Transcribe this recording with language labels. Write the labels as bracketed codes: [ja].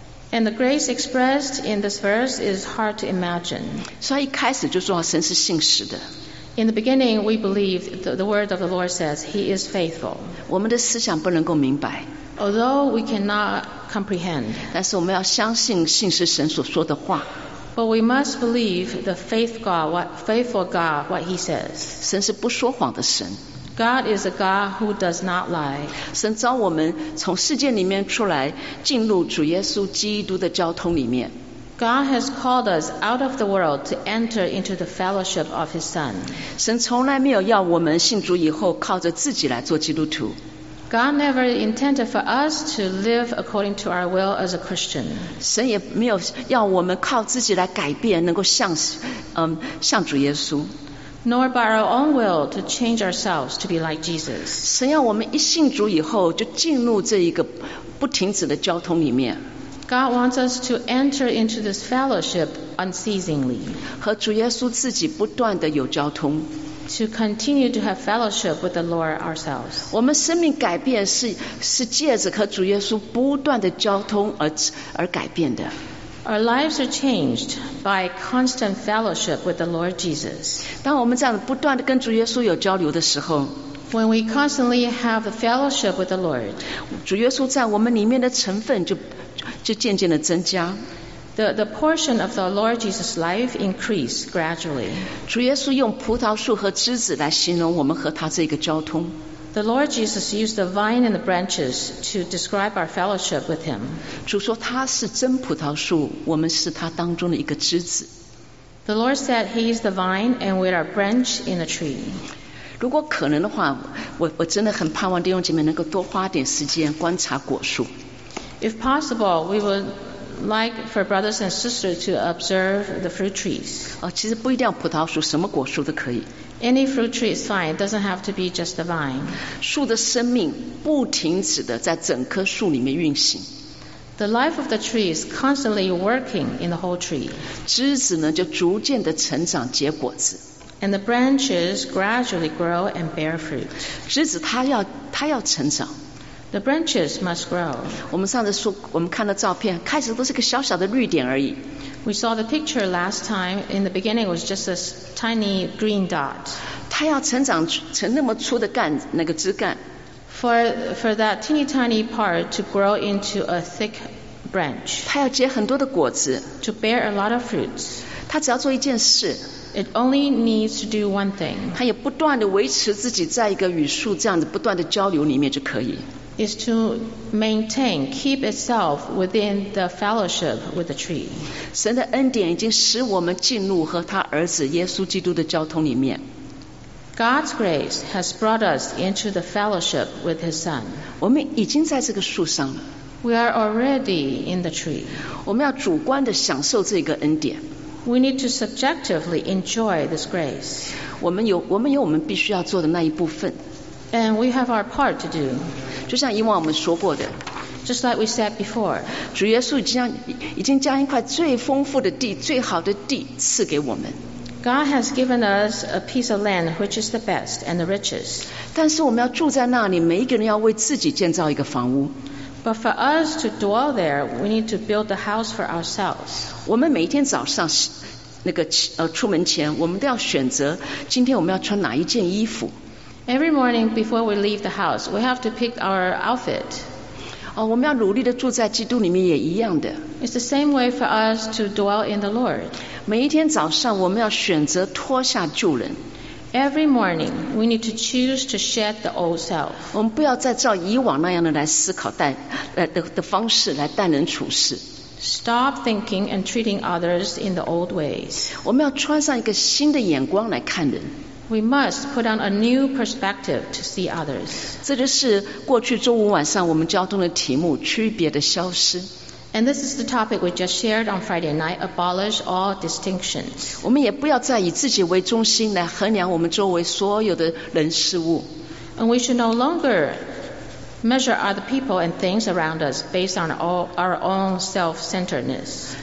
[en] And the grace expressed in this verse is hard to imagine. [zh] 所以一开始就说神是信实的。 [en] In the beginning, we believe the word of the Lord says He is faithful. [zh] 我们的思想不能够明白。 [en] Although we cannot comprehend, [zh] 但是我们要相信信是神所说的话。 [en] But we must believe the faithful God, what He says. [zh] 神是不说谎的神。 [en] God is a God who does not lie. [zh] 神召我们从世界里面出来，进入主耶稣基督的交通里面。 [en] God has called us out of the world to enter into the fellowship of His Son. [zh] 神从来没有要我们信主以后靠着自己来做基督徒。 [en] God never intended for us to live according to our will as a Christian. [zh] 神也没有要我们靠自己来改变，能够像主耶稣。 [en] Nor by our own will to change ourselves to be like Jesus. [zh] 神要我们一信主以后就进入这一个不停止的交通里面。 [en] God wants us to enter into this fellowship unceasingly. [zh] 和主耶稣自己不断的有交通。 [en] To continue to have fellowship with the Lord ourselves. [zh] 我们生命改变是借着和主耶稣不断的交通而改变的。 [en] Our lives are changed by constant fellowship with the Lord Jesus. [zh] 当我们这样不断的跟主耶稣有交流的时候， [en] When we constantly have a fellowship with the Lord, [zh] 主耶稣在我们里面的成分就渐渐的增加。 [en] The portion of the Lord Jesus' life increased gradually. [zh] 主耶稣用葡萄树和枝子来形容我们和他这个交通。 [en] The Lord Jesus used the vine and the branches to describe our fellowship with him. [zh] 主说他是真葡萄树，我们是他当中的一个枝子。 [en] The Lord said he is the vine and we are branch in the tree. [zh] 如果可能的话，我真的很盼望弟兄姐妹能够多花点时间观察果树。 [en] If possible, we would like for brothers and sisters to observe the fruit trees. [zh] 其实不一定要葡萄树，什么果树都可以。 [en] Any fruit tree is fine. It doesn't have to be just the vine. [zh] 树的生命不停止的在整棵树里面运行。 [en] The life of the tree is constantly working in the whole tree. [zh] 枝子呢就逐渐的成长结果子。 [en] And the branches gradually grow and bear fruit. [zh] 枝子它要成长。 [en] The branches must grow. [zh] 我们上次说，我们看到照片，开始都是个小小的绿点而已。 [en] We saw the picture last time. In the beginning, it was just a tiny green dot. [zh] 它要成长成那么粗的干那个枝干。 [en] For that teeny tiny part to grow into a thick branch. [zh] 它要结很多的果子。 [en] To bear a lot of fruits. [zh] 它只要做一件事。 [en] It only needs to do one thing. [zh] 它也不断地维持自己在一个与树这样子不断地交流里面就可以。 [en] Is to maintain, keep itself within the fellowship with the tree. [zh] 神的恩典已经使我们进入和他儿子耶稣基督的交通里面。 [en] God's grace has brought us into the fellowship with his son. [zh] 我们已经在这个树上了。 [en] We are already in the tree. [zh] 我们要主观地享受这个恩典。 [en] We need to subjectively enjoy this grace. [zh] 我们有我们必须要做的那一部分。 [en] And we have our part to do. [zh] 就像以往我们说过的。 [en] Just like we said before. [zh] 主耶稣已经将一块最丰富的地、最好的地赐给我们。 [en] God has given us a piece of land which is the best and the richest. [zh] 但是我们要住在那里，每一个人要为自己建造一个房屋。 [en] But for us to dwell there, we need to build a house for ourselves. [zh] 我们每天早上那个出门前，我们都要选择今天我们要穿哪一件衣服。 [en] Every morning before we leave the house, we have to pick our outfit. [zh] 哦，我们要努力的住在基督里面也一样的。 [en] It's the same way for us to dwell in the Lord. [zh] 每一天早上我们要选择脱下旧人。 [en] Every morning, we need to choose to shed the old self. [zh] 我们不要再照以往那样的来思考待的方式来待人处事。 [en] Stop thinking and treating others in the old ways. [zh] 我们要穿上一个新的眼光来看人。 [en] We must put on a new perspective to see others. [zh] 这就是过去周五晚上我们交通的题目，区别的消失。 [en] And this is the topic we just shared on Friday night, abolish all distinctions. [zh] 我们也不要再以自己为中心来衡量我们周围所有的人事物。 [en] And we should no longer measure other people and things around us based on our own self-centeredness.